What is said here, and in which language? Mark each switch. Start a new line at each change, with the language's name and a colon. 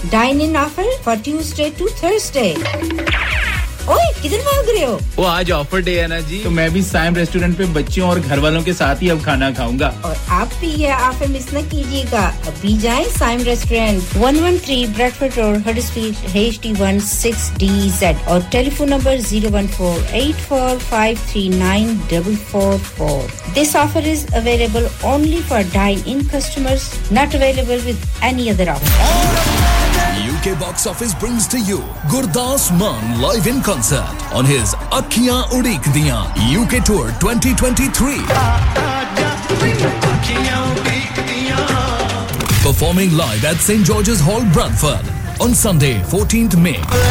English: Dine-in offer for Tuesday to Thursday.
Hindi: ओए किधर भाग रहे हो वो आज ऑफर डे है ना जी तो मैं भी साइम रेस्टोरेंट पे बच्चों और घर वालों के साथ ही अब खाना खाऊंगा और आप भी ये ऑफर मिस ना कीजिएगा अभी जाएं Saim restaurant 113 Bradford road Huddersfield HD16DZ और telephone number 01484539444
English: This offer is available only for dine in customers not available with any other offer UK Box Office brings to you Gurdas Mann live in concert on his Akhiyan Udik Diyan UK Tour 2023. Performing live at St. George's Hall, Bradford on Sunday, 14th May.